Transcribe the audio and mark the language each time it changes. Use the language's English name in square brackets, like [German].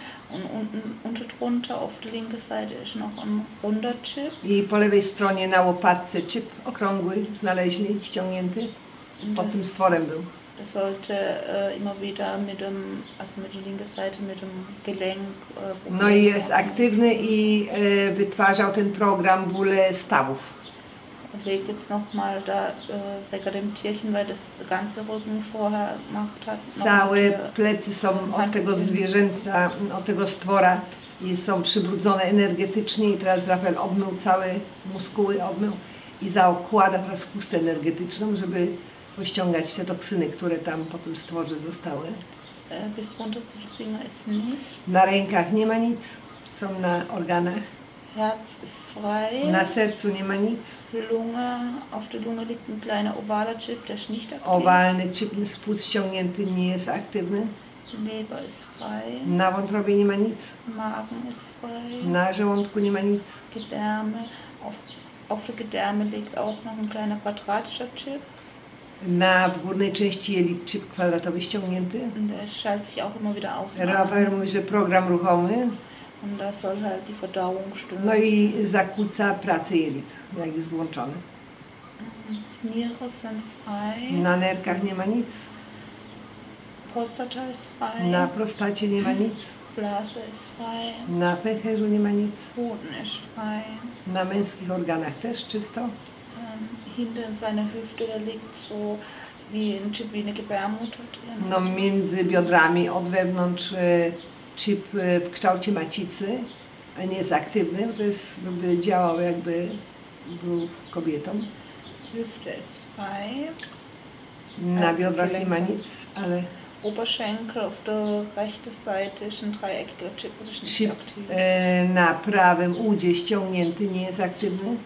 [German] Und unten drunter auf der linken Seite ist noch ein runder Chip. [Polish] I po lewej stronie na łopatce chip okrągły znaleźli, ściągnięty. Pod tym stworem był. [German] Das sollte immer wieder mit dem, also mit der linken Seite, mit dem Gelenk. [Polish] No i jest aktywny i wytwarzał ten program bóle stawów. [German] Legt jetzt noch mal da wegen dem Tierchen, weil das ganze Rücken vorher gemacht hat. [Polish] Całe plecy są od tego zwierzęta, od tego stwora i są przybrudzone energetycznie i teraz Rafael obmył całe muskuły, obmył i zaokłada teraz chustę energetyczną, żeby pościągać te toksyny, które tam po tym stworze zostały. [German] Bis runter zu den Fingern ist nichts. [Polish] Na rękach nie ma nic, są na organach. [German] Herz ist frei. [Polish] Na sercu nie ma nic. [German] Lunge, auf der Lunge liegt ein kleiner ovaler Chip, der ist nicht aktiv. [Polish] Owalny chip z płuc ściągnięty nie jest aktywny. [German] Leber ist frei. [Polish] Na wątrobie nie ma nic. [German] Magen ist frei. [Polish] Na żołądku nie ma nic. [German] Gedärme, auf der Gedärme liegt auch noch ein kleiner quadratischer Chip. [Polish] Na w górnej części jelit chip kwadratowy ściągnięty. [German] Der schaltet sich auch immer wieder aus. [Polish] Rafael mówi, że program ruchomy. [German] Und das soll halt die Verdauung stören. [Polish] No i zakłóca pracę jelit, jak jest włączony. [German] Niere sind frei. [Polish] Na nerkach nie ma nic. [German] Prostata ist frei. [Polish] Na prostacie nie ma nic. [German] Blase ist frei. [Polish] Na pęcherzu nie ma nic. [German] Boden ist frei. [Polish] Na męskich organach też czysto. [German] Hinter seiner Hüfte da liegt so wie ein Chip, wie eine Gebärmutter drin. [Polish] No między biodrami od wewnątrz chip w kształcie macicy, a nie jest aktywny, bo to jest, by działał jakby był kobietą. [German] Hüfte ist frei. [Polish] Na biodrach nie ma nic, ale... [German] Oberschenkel auf der rechten Seite ist ein dreieckiger Chip, ist nicht aktiv. [Polish] Na prawym udzie ściągnięty nie jest aktywny.